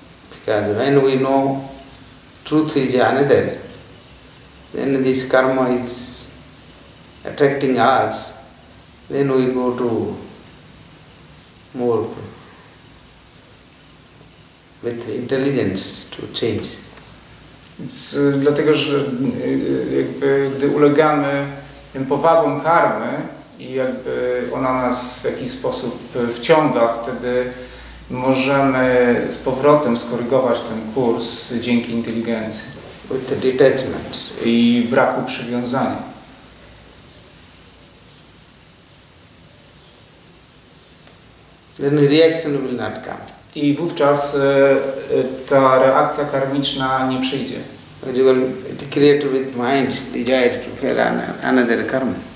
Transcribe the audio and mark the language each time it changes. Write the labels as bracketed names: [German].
[English] Because when we know truth is another, then this karma is attracting us, then we go to more with intelligence to change. [Polish] Dlatego, że jakby gdy ulegamy tym powabom karmy i jakby ona nas w jakiś sposób wciąga, wtedy możemy z powrotem skorygować ten kurs dzięki inteligencji. [English] With the detachment. [Polish] I braku przywiązania. [English] Then the reaction will not come. [Polish] I wówczas ta reakcja karmiczna nie przyjdzie. [English] It creates with mind desire to feel another karma.